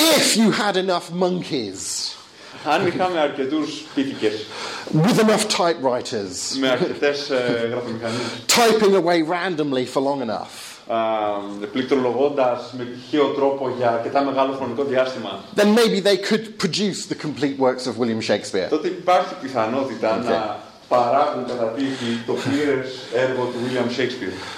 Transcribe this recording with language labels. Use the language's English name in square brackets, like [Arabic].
[English] If you had enough monkeys. [Greek] Αν είχαμε αρκετούς πίθηκες. [English] With enough typewriters. [Greek] Με αρκετές γραφομηχανίες. [English] Typing away randomly for long enough. [Greek] Πληκτρολογώντας με τυχαίο τρόπο για αρκετά μεγάλο χρονικό διάστημα. [English] Then maybe they could produce the complete works of William Shakespeare. [Greek] Τότε υπάρχει πιθανότητα να παράγουν κατά τύχη το πλήρες έργο του William Shakespeare.